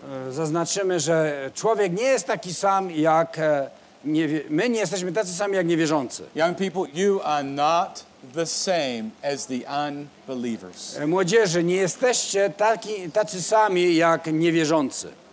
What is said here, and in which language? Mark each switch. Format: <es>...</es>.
<pl>Zaznaczymy, że człowiek nie jest taki sam jak my nie jesteśmy tacy sami jak niewierzący.</pl> <en>Young people, you are not the same as the unbelievers.</en> <pl>Młodzieży, nie jesteście tacy sami jak niewierzący.</pl>